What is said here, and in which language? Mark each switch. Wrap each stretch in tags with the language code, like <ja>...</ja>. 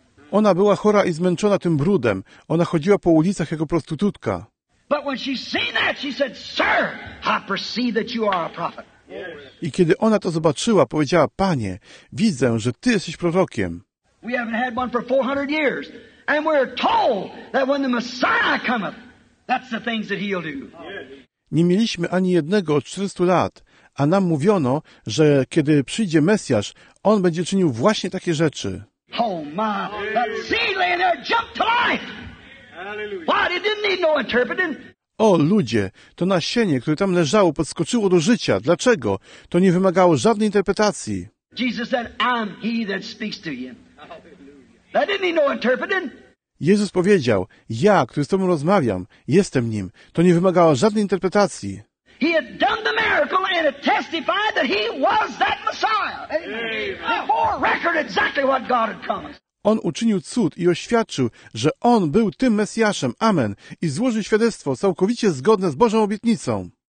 <pl>Ona była chora i zmęczona tym brudem. Ona chodziła po ulicach jako prostytutka.</pl> <en>But when she seen that, she said, sir, I perceive that you are a prophet.</en> <pl>I kiedy ona to zobaczyła, powiedziała, panie, widzę, że ty jesteś prorokiem.</pl> <en>We haven't had one for 400 years, and we're told that when the Messiah cometh, that's the things that he'll do.</en> <pl>Nie mieliśmy ani jednego od 400 lat, a nam mówiono, że kiedy przyjdzie Mesjasz, on będzie czynił właśnie takie rzeczy.</pl> <en>Oh my, that seed laying there jumped to life. Hallelujah. Why, it didn't need no interpreting.</en> <pl>O ludzie, to nasienie, które tam leżało, podskoczyło do życia. Dlaczego? To nie wymagało żadnej interpretacji.</pl> <en>Jesus said, I'm he that speaks to you. That didn't need no interpreting.</en> <pl>Jezus powiedział, ja, który z tobą rozmawiam, jestem nim. To nie wymagało żadnej interpretacji.</pl> <en>He had done the miracle and it testified that he was that Messiah. Amen. Before record exactly what God had promised.</en> <pl>On uczynił cud i oświadczył, że On był tym Mesjaszem. Amen. I złożył świadectwo całkowicie zgodne z Bożą obietnicą.</pl>